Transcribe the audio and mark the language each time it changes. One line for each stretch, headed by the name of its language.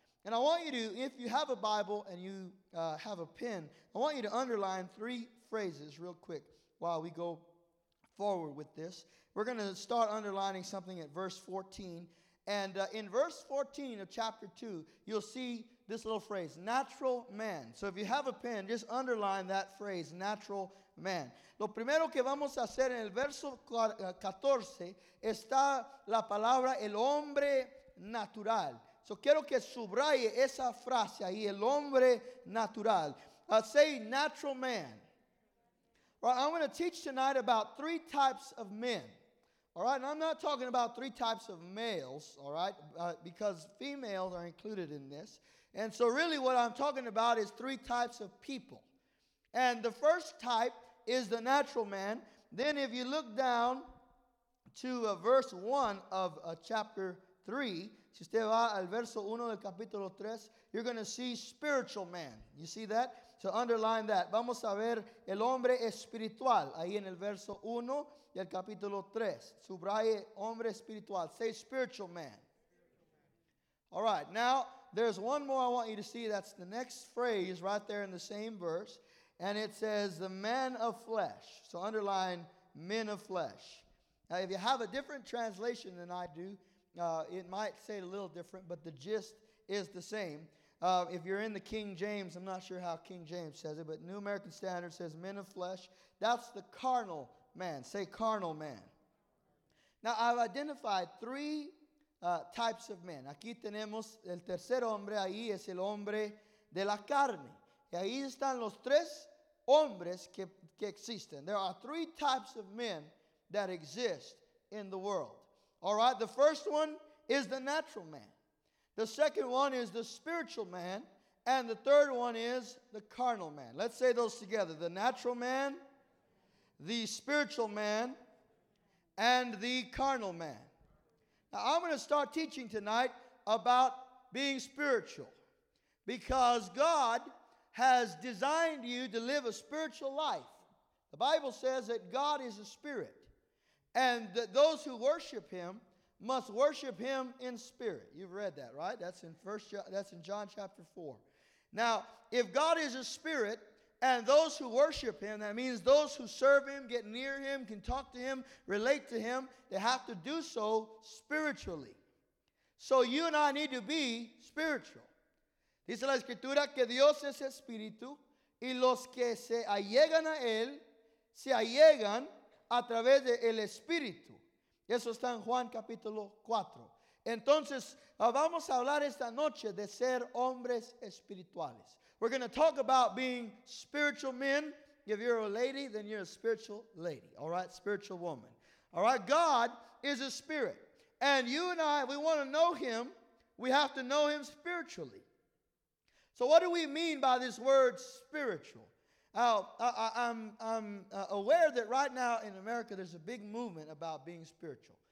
English: And I want you to, if you have a Bible and you have a pen, I want you to underline three phrases real quick while we go forward with this. We're going to start underlining something at verse 14. And in verse 14 of chapter 2, you'll see this little phrase, natural man. So if you have a pen, just underline that phrase, natural man.
Spanish: Lo primero que vamos a hacer en el verso 14 está la palabra el hombre natural. So quiero que subraye esa frase ahí, el hombre natural.
English: Say natural man. Well, I'm going to teach tonight about three types of men, all right? And I'm not talking about three types of males, all right, because females are included in this. And so really what I'm talking about is three types of people. And the first type is the natural man. Then if you look down to verse 1 of chapter 3,
Spanish: si usted va al verso 1 del capítulo 3,
English: you're going to see spiritual man. You see that? So underline that.
Spanish: Vamos a ver el hombre espiritual ahí en el verso 1 del capítulo 3. Subraye hombre espiritual.
English: Say spiritual man. All right. Now, there's one more I want you to see. That's the next phrase right there in the same verse. And it says the man of flesh. So underline men of flesh. Now, if you have a different translation than I do, it might say it a little different, but the gist is the same. If you're in the King James, I'm not sure how King James says it, but New American Standard says men of flesh. That's the carnal man. Say carnal man. Now, I've identified three types of men.
Spanish: Aquí tenemos el tercer hombre. Ahí es el hombre de la carne. Y ahí están los tres hombres que existen.
English: There are three types of men that exist in the world. All right? The first one is the natural man. The second one is the spiritual man. And the third one is the carnal man. Let's say those together. The natural man, the spiritual man, and the carnal man. Now, I'm going to start teaching tonight about being spiritual. Because God has designed you to live a spiritual life. The Bible says that God is a spirit. And that those who worship him must worship him in spirit. You've read that, right? That's in John chapter 4. Now, if God is a spirit and those who worship him, that means those who serve him, get near him, can talk to him, relate to him, they have to do so spiritually. So you and I need to be spiritual.
Spanish: Dice la Escritura que Dios es espíritu y los que se allegan a él se allegan a través del espíritu. Eso está en Juan capítulo 4. Entonces, vamos a hablar esta noche de ser hombres espirituales.
English: We're going to talk about being spiritual men. If you're a lady, then you're a spiritual lady. All right, spiritual woman. All right, God is a spirit. And you and I, we want to know him. We have to know him spiritually. So what do we mean by this word spiritual? I'm aware that right now in America there's a big movement about being spiritual.